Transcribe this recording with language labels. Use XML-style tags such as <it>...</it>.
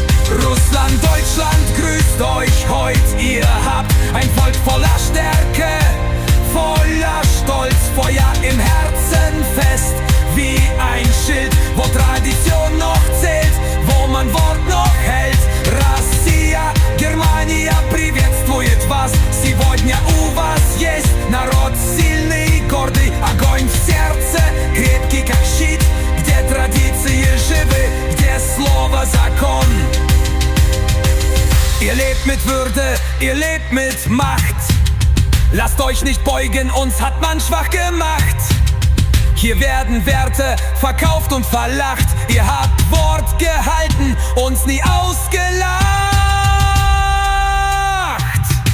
<de>Russland, Deutschland, grüßt euch heute. Ihr habt ein Volk voller Stärke, voller Stolz, Feuer im Herzen fest, wie ein Schild, wo Tradition noch zählt, wo man Wort noch hält.</de> <ru>Россия, Германия приветствует вас. Сегодня у вас есть народ сильный, гордый, огонь в сердце, крепкий как щит, где традиции живы, где слово закон.</ru> <de>Ihr lebt mit Würde, ihr lebt mit Macht. Lasst euch nicht beugen, uns hat man schwach gemacht. Hier werden Werte verkauft und verlacht. Ihr habt Wort gehalten, uns nie ausgelacht.</de>